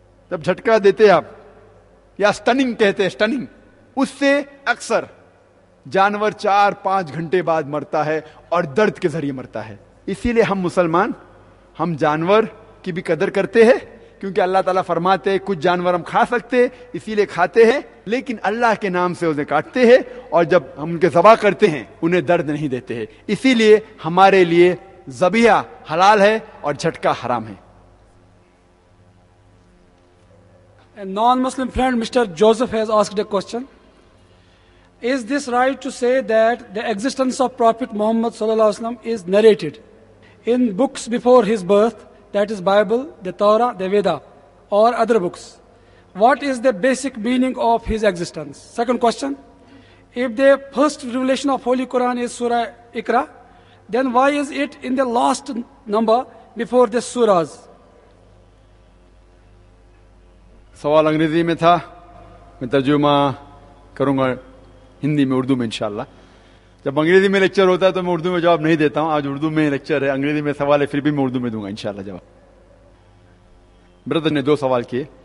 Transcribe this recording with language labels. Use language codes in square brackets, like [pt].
[ur] جب جھٹکا دیتے آپ یا سٹننگ کہتے ہیں، سٹننگ، اس سے اکثر جانور 4-5 گھنٹے بعد مرتا ہے اور درد کے ذریعے مرتا ہے۔ اسی لیے ہم مسلمان، ہم جانور کی بھی قدر کرتے ہیں، کیونکہ اللہ تعالیٰ فرماتے ہیں کچھ جانور ہم کھا سکتے ہیں، اسی لیے کھاتے ہیں، لیکن اللہ کے نام سے اسے کاٹتے ہیں، اور جب ہم ان کے ذبح کرتے ہیں انہیں درد نہیں دیتے ہیں۔ اسی لیے ہمارے لیے ذبیحہ حلال ہے اور جھٹکا حرام ہے۔ [en] Non Muslim friend Mister Joseph has asked a question, is this right to say that the existence of prophet Muhammad صلی اللہ علیہ وسلم is narrated in books before his birth, that is Bible, the Torah, the Veda or other books? What is the basic meaning of his existence? Second question, if the first revelation of holy Quran is surah Iqra, then why is it in the last number before the surahs? [ur] سوال انگریزی میں تھا، میں ترجمہ کروں گا ہندی میں، اردو میں انشاءاللہ۔ جب انگریزی میں لیکچر ہوتا ہے تو میں اردو میں جواب نہیں دیتا ہوں، آج اردو میں لیکچر ہے، انگریزی میں سوال ہے، پھر بھی میں اردو میں دوں گا انشاءاللہ جواب۔ برادر نے دو سوال کیے،